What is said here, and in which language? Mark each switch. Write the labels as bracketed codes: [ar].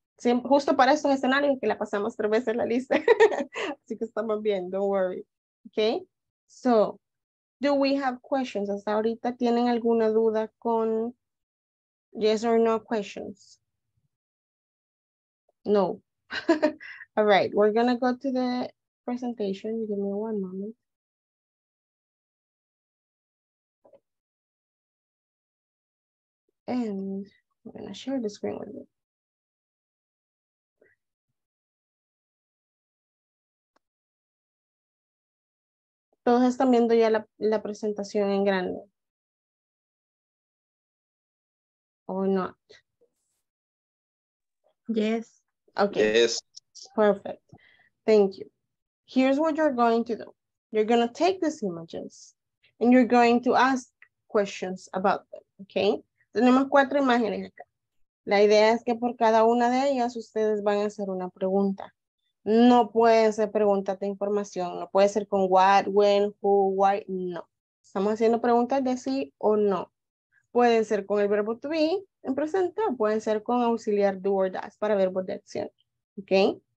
[es] Sí, justo para estos escenarios que la pasamos tres veces la lista. Así que estamos bien, [en] don't worry. Okay. So, do we have questions? [es] ¿Hasta ahorita tienen alguna duda con [en] yes or no questions? No. All right, we're gonna go to the presentation. Give me one moment. And I'm gonna share the screen with you. [es] Todos están viendo ya la presentación en grande. [en] Or not? Yes. Okay. Yes. Perfect. Thank you. Here's what you're going to do. You're going to take these images and you're going to ask questions about them. Okay? [es] Tenemos cuatro imágenes acá. La idea es que por cada una de ellas ustedes van a hacer una pregunta. No puede ser preguntas de información, no puede ser con what, when, who, why, no. Estamos haciendo preguntas de sí o no. Pueden ser con el verbo to be en presente o pueden ser con auxiliar do or does para verbos de acción. ¿Okay?